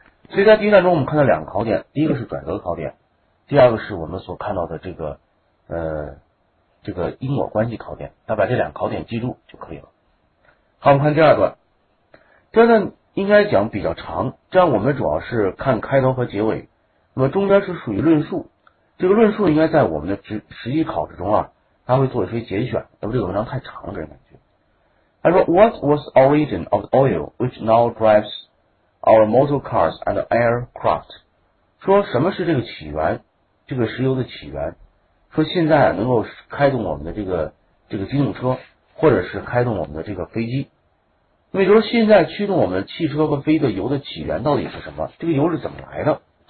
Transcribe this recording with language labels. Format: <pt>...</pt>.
<zh>所以在第一段中我们看到两个考点，第一个是转折考点，第二个是我们所看到的这个因果关系考点，那把这两个考点记住就可以了。好，我们看第二段。第二段应该讲比较长，这样我们主要是看开头和结尾，那么中间是属于论述，这个论述应该在我们的实际考试中啊，他会做一些节选，要不这个文章太长了，这种感觉。</zh> <en>他说 What was the origin of the oil which now drives our motor cars and aircraft？</en> <zh>说什么是这个起源，这个石油的起源，说现在能够开动我们的这个机动车，或者是开动我们的这个飞机。那么说现在驱动我们汽车和飞机的油的起源到底是什么？这个油是怎么来的？</zh>